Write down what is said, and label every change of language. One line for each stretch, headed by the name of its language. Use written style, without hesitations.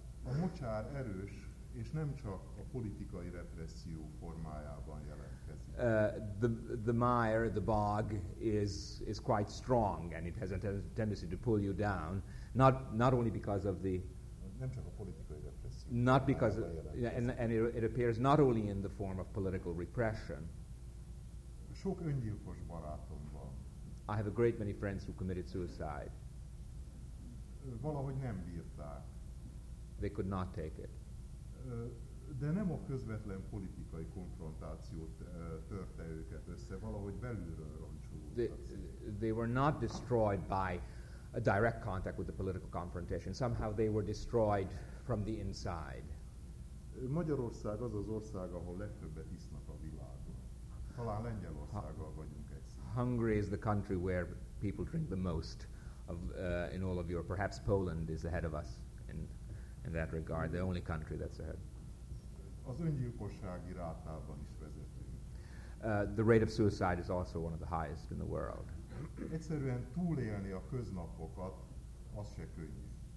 Hungarian: A mocsár erős és nem csak a politikai represszió formájában jelentkezik.
English: The mire, the bog is quite strong and it has a tendency to pull you down, not only because of the
Hungarian: nem csak a politikai represszió.
English: Not because it appears not only in the form of political repression.
Hungarian: Sok öngyilkos barátom van.
English: I have a great many friends who committed suicide.
Hungarian: Valahogy nem bírták.
English: They could not take it.
Hungarian: De nem a közvetlen politikai konfrontációt törte őket össze, valahogy belülről roncsolódott.
English: They were not destroyed by a direct contact with the political confrontation. Somehow they were destroyed from the inside.
Hungarian: Magyarország az az ország, ahol legtöbbet isznak a világon. Talán Lengyelországgal vagyunk egyszerűen.
English: Hungary is the country where people drink the most in all of Europe. Perhaps Poland is ahead of us in that regard, the only country that's ahead.
Hungarian: Az öngyilkossági rátában is vezetünk.
English: The rate of suicide is also one of the highest in the world.
Hungarian: Egyszerűen túlélni a köznapokat, az se könnyű.